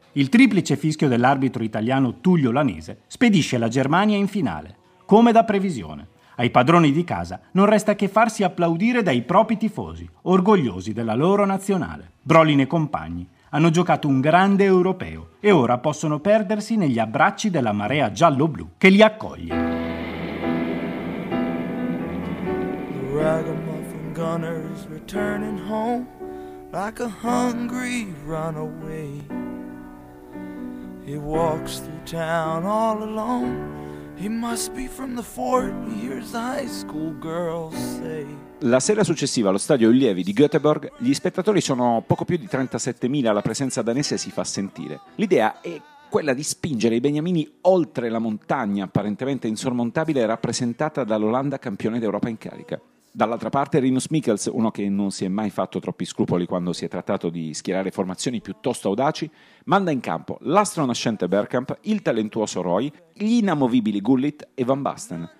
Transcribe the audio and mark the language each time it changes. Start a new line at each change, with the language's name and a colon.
Italian: Il triplice fischio dell'arbitro italiano Tullio Lanese spedisce la Germania in finale, come da previsione. Ai padroni di casa non resta che farsi applaudire dai propri tifosi, orgogliosi della loro nazionale. Brolin e compagni hanno giocato un grande europeo e ora possono perdersi negli abbracci della marea giallo-blu che li accoglie.
English: The ragamuffin gunner is returning home like a hungry runaway. He walks through town all alone. He must be from the fort, hears the high school girls say.
Italian: La sera successiva allo stadio Ulievi di Göteborg, gli spettatori sono poco più di 37.000, la presenza danese si fa sentire. L'idea è quella di spingere i beniamini oltre la montagna apparentemente insormontabile rappresentata dall'Olanda campione d'Europa in carica. Dall'altra parte Rinus Michels, uno che non si è mai fatto troppi scrupoli quando si è trattato di schierare formazioni piuttosto audaci, manda in campo l'astro nascente Bergkamp, il talentuoso Roy, gli inamovibili Gullit e Van Basten.